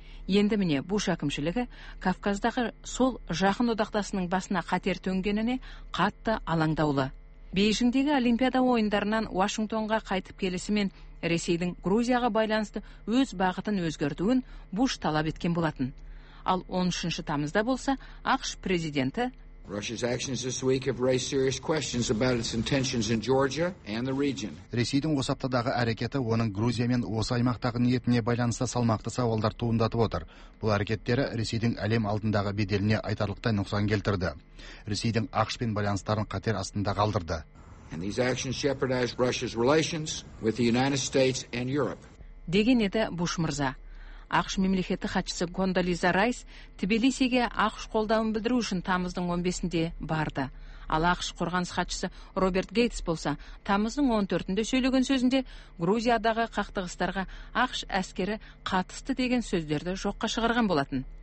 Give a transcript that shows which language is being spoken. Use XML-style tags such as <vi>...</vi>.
<kk>Енді міне Буш әкімшілігі Кавказдағы сол жақын одақтасының басына қатер төнгеніне қатты алаңдаулы. Бейжіңдегі Олимпиада ойындарынан Вашингтонға қайтып келісімен Ресейдің Грузияға байланысты өз бағытын өзгертуін Буш талап еткен болатын. Ал 13 тамызда болса ақш президенті</kk> <en>Russia's actions this week have raised serious questions about its intentions in Georgia and the region.</en> <kk>Ресейдің осы аптадағы әрекеті оның Грузия мен осы аймақтағы ниетіне байланысты салмақты сауалдар туындатып отыр. Бұл әрекеттері Ресейдің әлем алдындағы беделіне айтарлықтай нұқсан келтірді. Ресейдің ақш пен байланыстарын қатер астында қалдырды.</kk> <en>And these actions jeopardize Russia's relations with the United States and Europe.</en> <kk>Деген еді Буш мырза. Ақш мемлекеті хатшысы Гондолиза Райс Тбилисиге ақш қолдауын білдіру үшін тамыздың 15-де барды. Ал ақш қорғаныс хатшысы Роберт Гейтс болса, тамыздың 14-де сөйлеген сөзінде Грузиядағы қақтығыстарға ақш әскері қатысты деген сөздерді жоққа шығарған болатын.</kk>